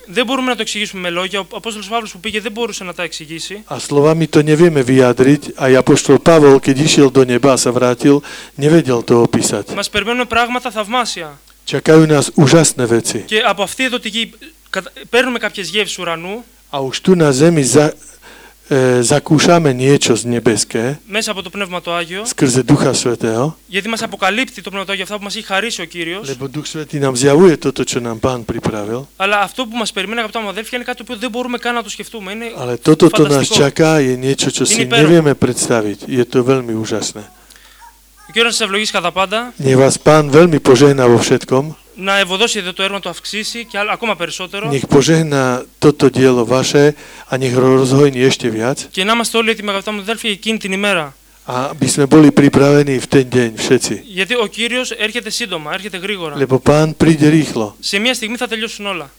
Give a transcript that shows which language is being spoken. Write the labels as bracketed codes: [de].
[el] Δεν μπορούμε να το εξηγήσουμε με λόγια. Ο Απόστολος Παύλος που πήγε δεν μπορούσε να τα εξηγήσει. [sk] A slovami to nevieme vyjadriť. A Apoštol Pavol, keď išiel do neba a sa vrátil, nevedel to opísať. [el] Μας περιμένουν πράγματα θαυμάσια. [sk] Čakajú nás úžasné veci. [el] Και από αυτή εδώ τη γη παίρνουμε κάποιες γεύσεις ουρανού. [sk] A už tu na zemi zakúšame niečo z nebeské. [el] Μέσα από το Πνεύμα το Άγιο. [sk] Skrze Ducha Svätého. [el] Γιατί μας αποκαλύπτει το Πνεύμα το Άγιο αυτά που μας έχει χαρίσει ο Κύριος. [sk] Lebo Duch Svätý nám zjavuje toto, čo nám Pán pripravil. [el] Αλλά αυτό που μας περιμένει, αγαπητά μου αδέλφια, είναι κάτι που δεν μπορούμε καν να το σκεφτούμε. Είναι [sk] Ale toto, το nás čaká, je niečo, čo si nevieme predstaviť. Je to veľmi úžasné. [el] Ο Κύριος σας ευλογήσει κατά πάντα. [sk] Nech vás Pán veľmi požehná vo všetkom. [el] Να ευωδώσει το έργο του αυξήσει και ακόμα περισσότερο. [sk] Nech požehná toto dielo vaše a nech rozhojní ešte viac. [el] Και να είμαστε όλοι έτοιμοι, αγαπητά μου αδέλφια, εκείνη την ημέρα. [sk] Aby sme boli pripravení v ten deň všetci. [el] Γιατί ο Κύριος έρχεται σύντομα, έρχεται γρήγορα. [sk] Lebo Pán príde rýchlo. [el] Σε μια στιγμή θα τελειώσουν όλα.